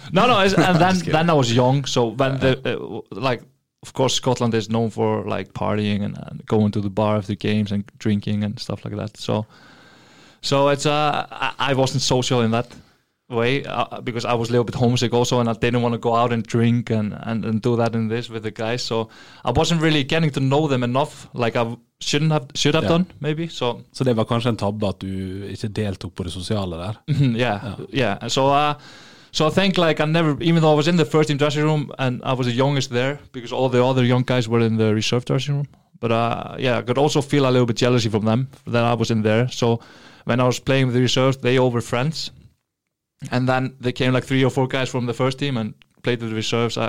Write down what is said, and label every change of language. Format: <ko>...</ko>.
<en>No, and then I was young, so when of course Scotland is known for like partying and going to the bar after games and drinking and stuff like that. So it's I wasn't social in that way because I was a little bit homesick also, and I didn't want to go out and drink and do that and this with the guys. So I wasn't really getting to know them enough, like I should have done maybe. So</en> <sv>det var kanske en tabbe att du inte deltog på det sociala där.</sv> <en>Yeah. So I think like I never, even though I was in the first team dressing room and I was the youngest there because all the other young guys were in the reserve dressing room. But I could also feel a little bit jealousy from them that I was in there. So when I was playing with the reserves, they all were friends. And then they came like 3 or 4 guys from the first team and played with the reserves.</en>